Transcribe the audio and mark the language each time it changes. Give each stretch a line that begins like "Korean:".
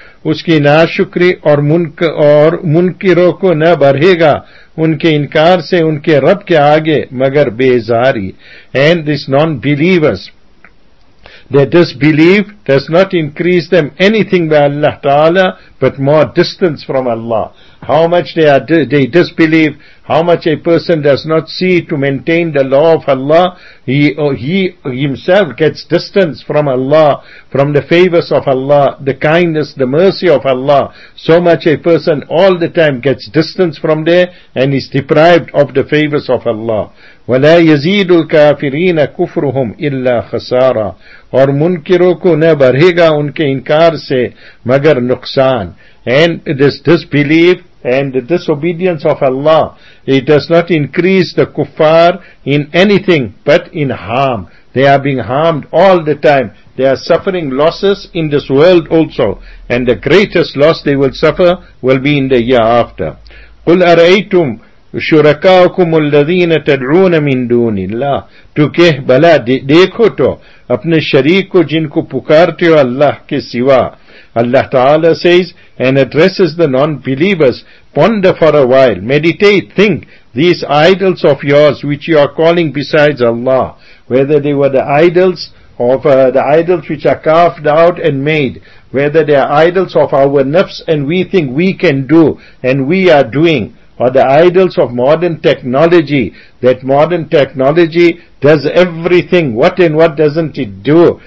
Urdu: اس کی ناشکری اور منکروں کو نہ بڑھے گا ان کے انکار سے ان کے رب کے آگے مگر بیزاری.
English: And this non-believers, their disbelief does not increase them anything by Allah Ta'ala, but more distance from Allah. How much they disbelieve, how much a person does not see to maintain the law of Allah, he himself gets distance from Allah, from the favors of Allah, the kindness, the mercy of Allah. So much a person all the time gets distance from there and is deprived of the favors of Allah.
Arabic: وَلَا يَزِيدُ الْكَافِرِينَ كُفْرُهُمْ إِلَّا خَسَارًا.
Urdu: اور منکروں کو نہ بڑھے گا ان کے انکار سے مگر نقصان.
English: And this disbelief and the disobedience of Allah, it does not increase the kuffar in anything but in harm. They are being harmed all the time. They are suffering losses in this world also. And the greatest loss they will suffer will be in the year after.
Arabic: قُلْ أَرَأَيْتُمْ شُرَكَاؤُكُمُ الَّذِينَ تَدْعُونَ مِن دُونِ اللَّهِ
Urdu: تو کہ بھلا دیکھو تو اپنے شریک کو جن کو پکارتے ہو اللہ کے سوا.
English: Allah Ta'ala says and addresses the non-believers, ponder for a while, meditate, think, these idols of yours which you are calling besides Allah, whether they were the idols of the idols which are carved out and made, whether they are idols of our nafs and we think we can do and we are doing, or the idols of modern technology, that modern technology does everything, what and what doesn't it do?